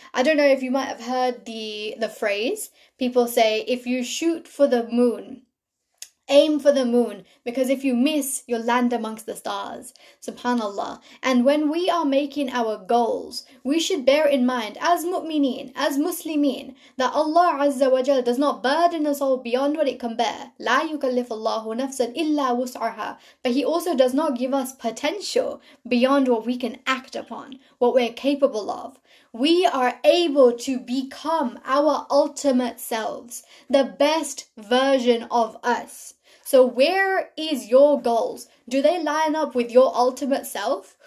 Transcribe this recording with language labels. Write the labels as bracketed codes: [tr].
[en] I don't know if you might have heard the phrase, people say, if you shoot for the moon, aim for the moon, because if you miss, you'll land amongst the stars. Subhanallah. And when we are making our goals, we should bear in mind, as mu'mineen, as muslimin, that Allah Azza wa Jal does not burden us all beyond what it can bear. [ar] لا يكلف الله نفسا إلا وسعها. [en] But He also does not give us potential beyond what we can act upon, what we're capable of. We are able to become our ultimate selves, the best version of us. So where is your goals? Do they line up with your ultimate self?